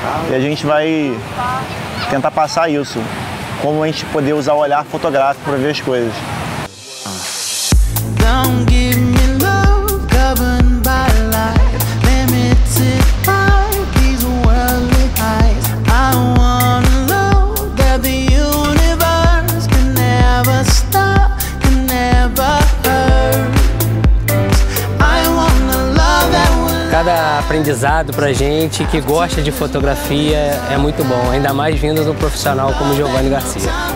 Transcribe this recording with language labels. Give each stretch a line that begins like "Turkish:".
Portuguese: E a gente vai tentar passar isso, como a gente poder usar o olhar fotográfico para ver as coisas.
English: Don't give me love, governed by life. Limited by these worldly eyes. I want a love that the universe can never stop, can never hurt. I want a love that will.
Portuguese: Cada aprendizado pra gente que gosta de fotografia é muito bom, ainda mais vindo de um profissional como Giovanni Garcia.